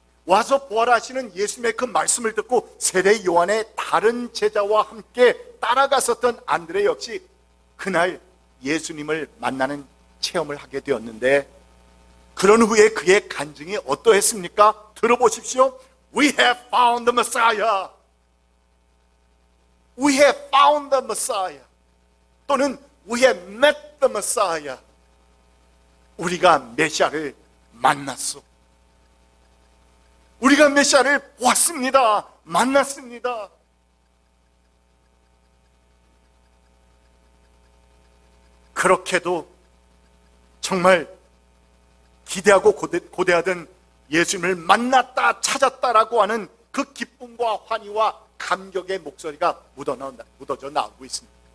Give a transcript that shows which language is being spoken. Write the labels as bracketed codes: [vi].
[ko] 와서 부활하시는 예수님의 그 말씀을 듣고 세례 요한의 다른 제자와 함께 따라갔었던 안드레 역시 그날 예수님을 만나는 체험을 하게 되었는데 그런 후에 그의 간증이 어떠했습니까? 들어보십시오. [en] We have found the Messiah. We have found the Messiah. 또는 We have met the Messiah. [ko] 우리가 메시아를 만났소. 우리가 메시아를 보았습니다. 만났습니다. 그렇게도 정말 기대하고 고대하던 예수님을 만났다, 찾았다라고 하는 그 기쁨과 환희와 감격의 목소리가 묻어져 나오고 있습니다.